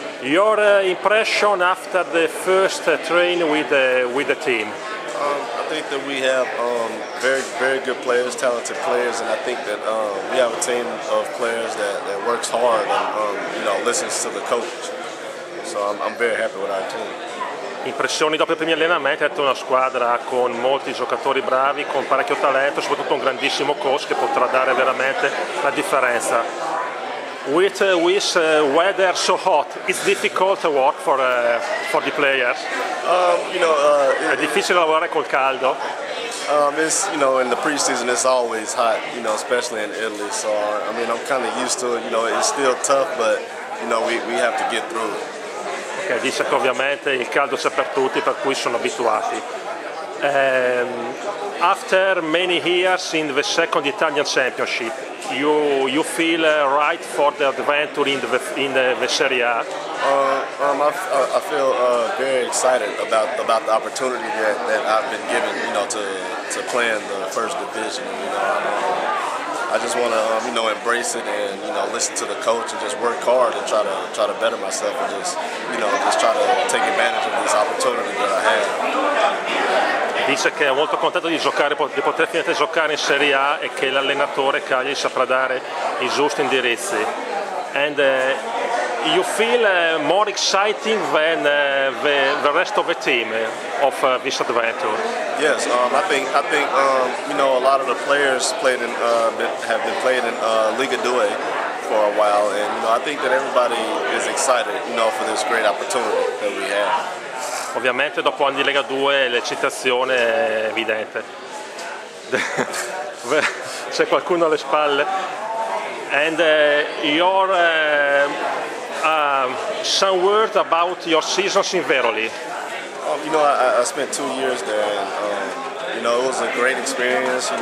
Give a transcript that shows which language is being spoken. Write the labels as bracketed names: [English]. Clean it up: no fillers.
[English] Your impression after the first train with the team? I think that we have very good players, talented players, and I think that we have a team of players that works hard and listens to the coach. So I'm very happy with our team. [Italian] Impressioni dopo i primi allenamenti? È una squadra con molti giocatori bravi, con parecchio talento, soprattutto un grandissimo coach che potrà dare veramente la differenza. [English] With weather so hot, it's difficult to work for the players. [Italian] È difficile lavorare col caldo. [English] It's in the preseason it's always hot, especially in Italy. So I'm kind of used to it. It's still tough, but we have to get through it. [Italian] Okay, dice che ovviamente il caldo c'è per tutti, per cui sono abituati. [English] After many years in the second Italian Championship, you feel right for the adventure in the Serie A? I feel very excited about the opportunity that I've been given, to play in the first division. I just want to embrace it and listen to the coach and just work hard and try to better myself and just try to take advantage of this opportunity that I have. [Italian] Dice che è molto contento di poter finalmente giocare in Serie A e che l'allenatore Cagliari saprà dare i giusti indirizzi. [English] And you feel more exciting than the rest of the team of this adventure? Yes, I think a lot of the players have been playing in Liga 2 for a while, and I think that everybody is excited for this great opportunity that we have. [Italian] Ovviamente dopo anni di Lega 2 l'eccitazione è evidente. C'è qualcuno alle spalle. [English] And your some words about your seasons in Veroli. I spent 2 years there and it was a great experience.